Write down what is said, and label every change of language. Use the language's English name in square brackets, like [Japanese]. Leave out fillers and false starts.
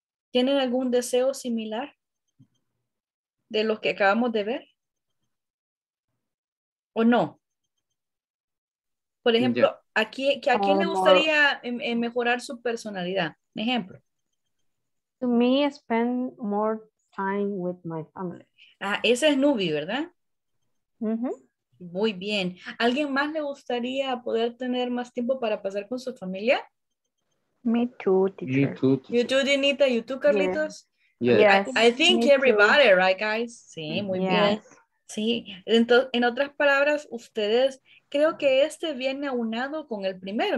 [Spanish] ¿Tienen algún deseo similar de los que acabamos de ver? ¿O no? Por ejemplo, ¿a quién le gustaría mejorar su personalidad? Un ejemplo. [English] To me, spend more time with my family. [Spanish] Ah, ese es Nubi, ¿verdad? Muy bien. ¿Alguien más le gustaría poder tener más tiempo para pasar con su familia? [English] Me too, teacher. You too, Dinita. You too, Carlitos. Yeah. Yes. I think me everybody, too. Right, guys? [Spanish] Sí, muy [English] yes. [Spanish] bien. Sí. Entonces, en otras palabras, ustedes, creo que este viene aunado con el primero.